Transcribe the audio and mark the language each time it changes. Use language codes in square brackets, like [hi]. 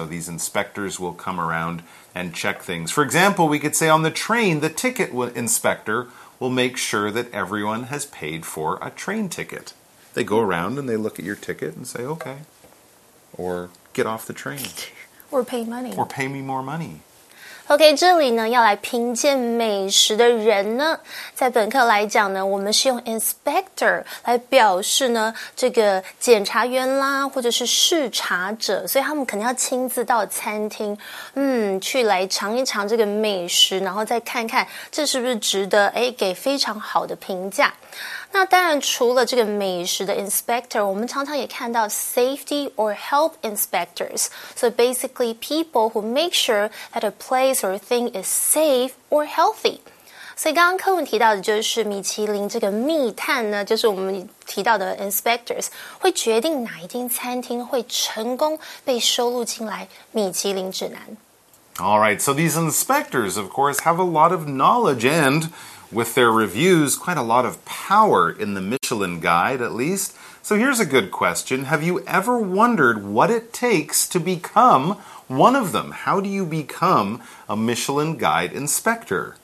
[en] So these inspectors will come around and check things. For example, we could say on the train, the ticket inspector will make sure that everyone has paid for a train ticket. They go around and they look at your ticket and say, okay, or get off the train. Or pay money. Or pay me more money. [zh] OK, 这里呢要来评鉴美食的人呢在本课来讲呢我们是用 inspector 来表示呢这个检查员啦或者是视察者所以他们肯定要亲自到餐厅去来尝一尝这个美食然后再看看这是不是值得给非常好的评价。那当然除了这个美食的 inspector, 我们常常也看到 [en] safety or health inspectors. So basically people who make sure that a place or thing is safe or healthy. [zh] 所以刚刚课文提到的就是米其林这个密探呢就是我们提到的 inspectors, 会决定哪一间餐厅会成功被收录进来米其林指南。 [en] All right, so these inspectors, of course, have a lot of knowledge and... with their reviews, quite a lot of power in the Michelin Guide, at least. So here's a good question. Have you ever wondered what it takes to become one of them? How do you become a Michelin Guide inspector?